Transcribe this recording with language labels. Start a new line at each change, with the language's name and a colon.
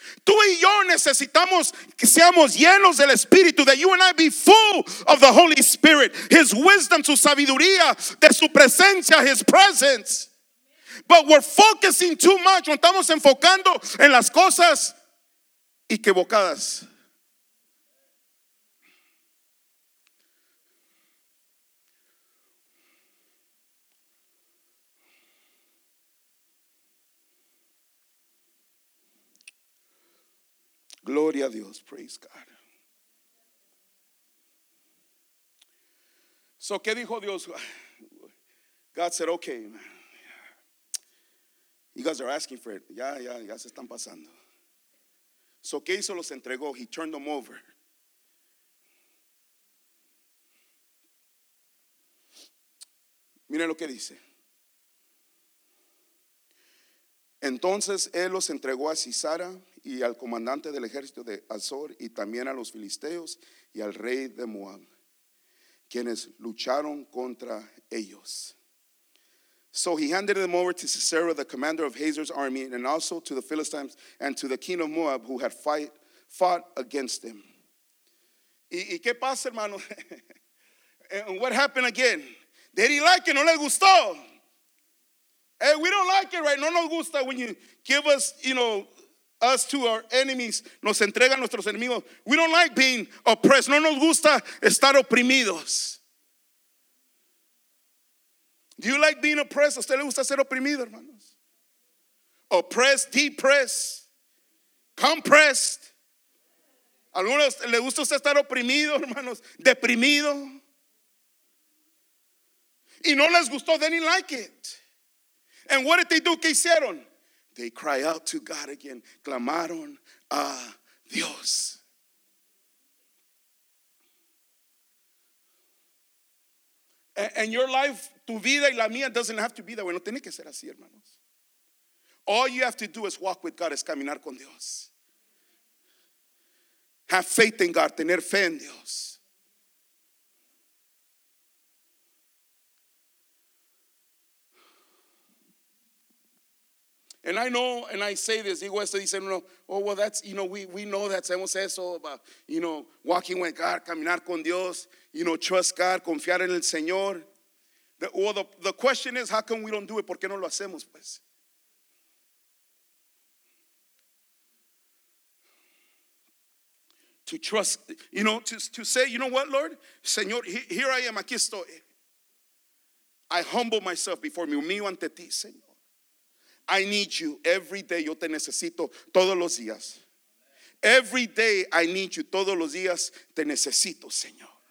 Spanish: Tú y yo necesitamos que seamos llenos del Espíritu.
English: That you and I be full of the Holy Spirit. His wisdom,
Spanish: su sabiduría, de su presencia,
English: his presence. But we're focusing too much.
Spanish: Estamos enfocando en las cosas equivocadas. Gloria a Dios.
English: Praise God. So,
Spanish: ¿qué dijo Dios?
English: God said, okay, man. You guys are asking for it.
Spanish: Ya se están pasando. So, ¿qué hizo? Los entregó.
English: He turned them over.
Spanish: Miren lo que dice. Entonces él los entregó a Sisara y al comandante del ejército de Azor y también a los filisteos y al rey de Moab, quienes lucharon contra ellos.
English: So he handed them over to Sisera, the commander of Hazor's army, and also to the Philistines and to the king of Moab who had fought against them.
Spanish: ¿Y qué pasa, hermano?
English: And what happened again? Did he like it?
Spanish: ¿No le gustó?
English: Hey, we don't like it, right?
Spanish: No nos gusta
English: when you give us, you know, us to our enemies,
Spanish: nos entregan nuestros enemigos.
English: We don't like being oppressed.
Spanish: No nos gusta estar oprimidos.
English: Do you like being oppressed?
Spanish: ¿A usted le gusta ser oprimido, hermanos?
English: Oppressed, depressed, compressed.
Spanish: ¿A algunos le gusta usted estar oprimido, hermanos? Deprimido. Y no les gustó,
English: they didn't like it. And what did they do?
Spanish: ¿Qué hicieron?
English: They cry out to God again.
Spanish: Clamaron a Dios.
English: And your life,
Spanish: tu vida y la mía,
English: doesn't have to be that way.
Spanish: No tiene que ser así, hermanos.
English: All you have to do is walk with God,
Spanish: es caminar con Dios.
English: Have faith in God,
Spanish: tener fe en Dios.
English: And I know, and I say this,
Spanish: digo esto,
English: dicen, no, oh, well, that's, you know, we know that,
Spanish: sabemos eso,
English: about, you know, walking with God,
Spanish: caminar con Dios,
English: you know, trust God,
Spanish: confiar en el Señor.
English: The question is, how come we don't do it?
Spanish: ¿Por qué no lo hacemos, pues?
English: To trust, you know, to say, you know what, Lord? Señor, here I am,
Spanish: aquí estoy.
English: I humble myself before me,
Spanish: humillo ante ti, Señor.
English: I need you every day.
Spanish: Yo te necesito todos los días.
English: Every day I need you.
Spanish: Todos los días te necesito, Señor.